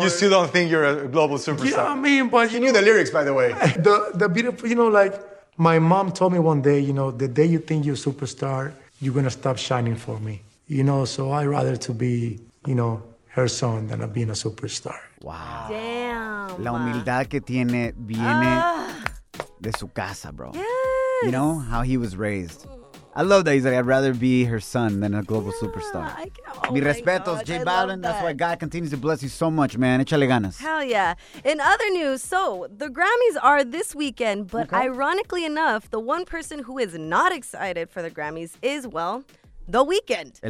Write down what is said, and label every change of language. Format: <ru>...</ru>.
<en>You still don't think you're a global superstar? Yeah, I mean, but... He knew the lyrics, by the way. The beautiful, you know, like, my mom told me one day, you know, the day you think you're a superstar, you're going to stop shining for me. You know, so I'd rather to be, you know, her son than being a superstar. Wow. Damn.</en> <es>La humildad que tiene viene de su casa, bro.</es> <en>Yes. You know, how he was raised. I love that. He's like, I'd rather be her son than a global superstar.</en> <es>Mi respetos,</es> <en>God, J Balvin. That's why God continues to bless you so much, man.</en> <es>Échale ganas.</es> <en>Hell yeah. In other news, so the Grammys are this weekend, but ironically enough, the one person who is not excited for the Grammys is, well, The Weeknd.</en>